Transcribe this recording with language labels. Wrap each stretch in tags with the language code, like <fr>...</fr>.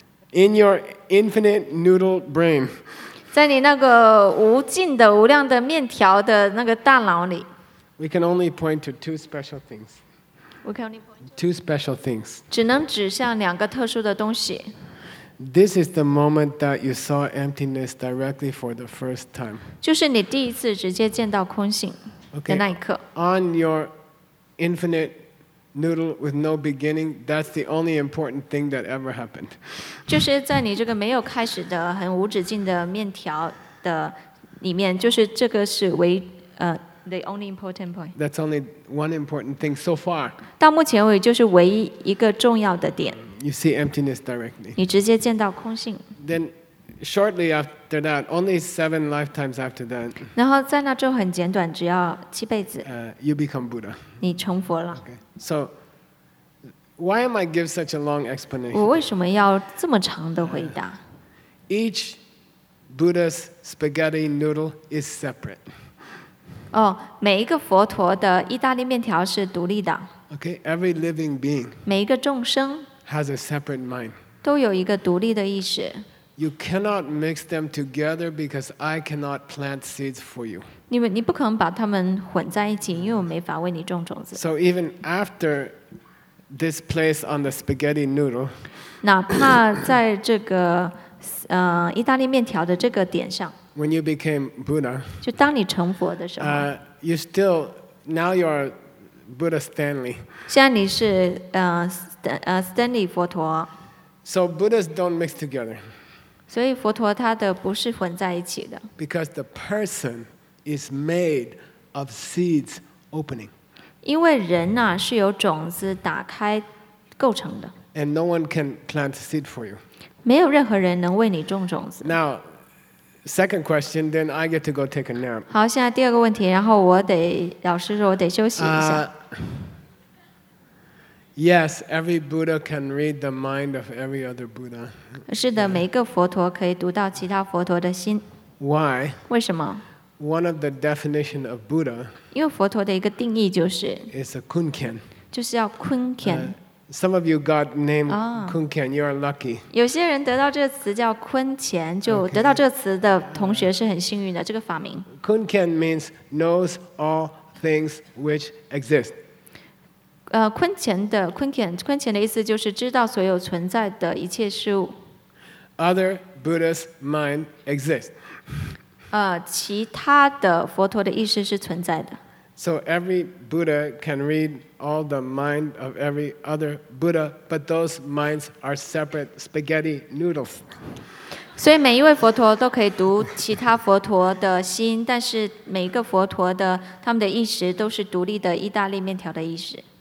<en>In your infinite noodle brain.</en> <zh>在你那个无尽的、无量的面条的那个大脑里</zh> <en>，We can only point to two special things. We can only point two special things.</en> <zh>只能指向两个特殊的东西。</zh> <en>This is the moment that you saw emptiness directly for the first time.</en> <zh>就是你第一次直接见到空性的那一刻。</zh> <en>On your infinite noodle with no beginning, that's the only important thing that ever happened.</en> <zh>就是在你这个没有开始的很无止境的面条的里面，就是这个是唯</zh> <en>the only important point. That's only one important thing so far.</en> <zh>到目前为止就是唯一一个重要的点。</zh> <en>You see emptiness directly.</en> <zh>你直接见到空性。</zh> <en>Then shortly after that, only 7 lifetimes after that.</en> <zh>然后在那之后很简短，只要七辈子。</zh> <en>You become Buddha.</en> <zh>你成佛了。</zh> <en>Okay. So why am I giving such a long explanation?</en> <zh>我为什么要这么长的回答？</zh> <en>Each Buddha's spaghetti noodle is separate.</en> <zh>Oh, 每一个佛陀的意大利面条是独立的。</zh> <en>Okay, every living being,</en> <zh>每一个众生</zh> <en>has a separate mind.</en> <zh>都有一个独立的意识。</zh> <en>You cannot mix them together because I cannot plant seeds for you.</en> <zh>你不可能把它们混在一起，因为我没法为你种种子。</zh> <en>So even after this place on the spaghetti noodle,</en> <zh>哪怕在这个意大利面条的这个点上，</zh> <en>When you became Buddha,</en> <zh>就当你成佛的时候，</zh> <en>you still now you are Buddha Stanley.</en> <zh>现在你是Stanley 佛陀。</zh> <en>So Buddhas don't mix together.</en> <zh>所以佛陀他的不是混在一起的。</zh> <en>Because the person is made of seeds opening.</en> <zh>因为人呐是由种子打开构成的。</zh> <en>And no one can plant seed for you.</en> <zh>没有任何人能为你种种子。</zh> <en>Now, second question, then I get to go take a nap.</en> <zh>好，现在第二个问题，然后我得，老师说我得休息一下。</zh> <en>Yes, every Buddha can read the mind of every other Buddha.</en> <zh>是的，每一个佛陀可以读到其他佛陀的心。</zh> <en>Why?</en> <zh>为什么？</zh> <en>One of the definition of Buddha.</en> <zh>因为佛陀的一个定义就是。</zh> <en>It's a kunken.</en> <zh>就是要昆恬。</zh> <en>Some of you got named Kunken. You are lucky.</en> <zh>有些人得到这个词叫昆虔，就得到这个词的同学是很幸运的。这个法名</zh> <en>Kunken means knows all things which exist.</en> <zh>昆虔的昆虔的意思就是知道所有存在的一切事物。</zh> <en>Other Buddhist mind exists.</en> <zh>其他的佛陀的意识是存在的。</zh> <en>So every Buddha can read all the mind of every other Buddha, but those minds are separate spaghetti noodles.</en> <zh>所以每一位佛陀都可以读其他佛陀的心，但是每一个佛陀的他们的意识都是独立的意大利面条的意识。</zh>